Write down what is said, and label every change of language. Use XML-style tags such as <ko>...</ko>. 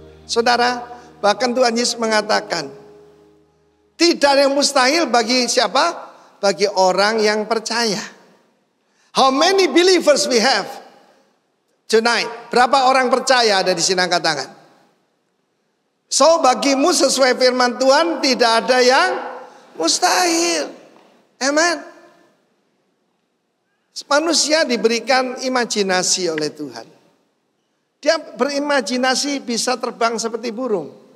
<id>Saudara, bahkan Tuhan Yesus mengatakan, tidak ada yang mustahil bagi siapa? Bagi orang yang percaya.</id> <en>How many believers we have tonight?</en> <id>Berapa orang percaya ada di sini, angkat tangan. So bagimu sesuai firman Tuhan tidak ada yang mustahil. Amen. Manusia diberikan imajinasi oleh Tuhan. Dia berimajinasi bisa terbang seperti burung.</id>